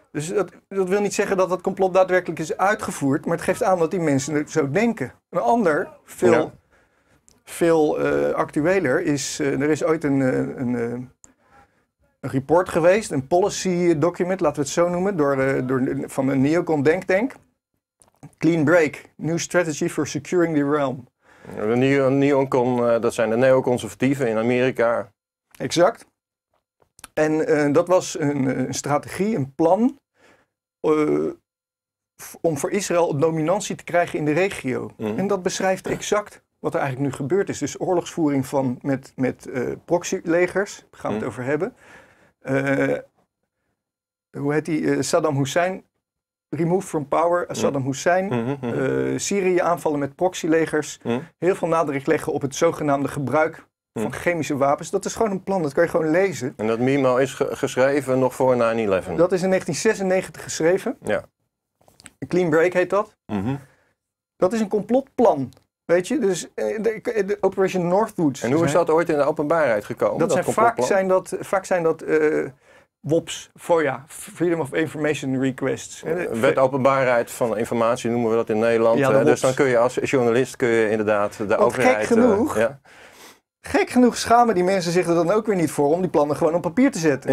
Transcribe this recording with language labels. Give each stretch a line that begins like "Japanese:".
Dutch: Dus dat wil niet zeggen dat complot daadwerkelijk is uitgevoerd. Maar het geeft aan dat die mensen er zo denken. Een ander veel actueler is, er is ooit een report geweest, een policy document, laten we het zo noemen, van een neocon denktank.
English: Clean break, new strategy for securing the realm.
Dutch: De neocon, dat zijn de neoconservatieven in Amerika. Exact. En dat was een strategie, een plan, om voor Israël dominantie te krijgen in de regio. Mm. En dat beschrijft exact wat er eigenlijk nu gebeurd is. Dus oorlogsvoering van met proxylegers. Daar gaan we het over hebben. Hoe heet die? Saddam Hussein
English: Remove from power,
Dutch: Saddam Hussein, Syrië aanvallen met proxylegers. Heel veel nadruk leggen op het zogenaamde gebruik van chemische wapens. Dat is gewoon een plan, dat kan je gewoon lezen. En dat memo is geschreven nog voor 9-11. Dat is in 1996 geschreven. Ja. Clean Break heet dat. Dat is een complotplan, weet je. Dus de Operation Northwoods. En hoe is dat ooit in de openbaarheid gekomen? Dat zijn vaak zijn dat WOPs, FOIA, Freedom of Information Requests. Wet openbaarheid van informatie noemen we dat in Nederland. Ja, dus dan kun je als journalist kun je inderdaad de Want overheid... Gek genoeg schamen die mensen zich er dan ook weer niet voor om die plannen gewoon op papier te zetten.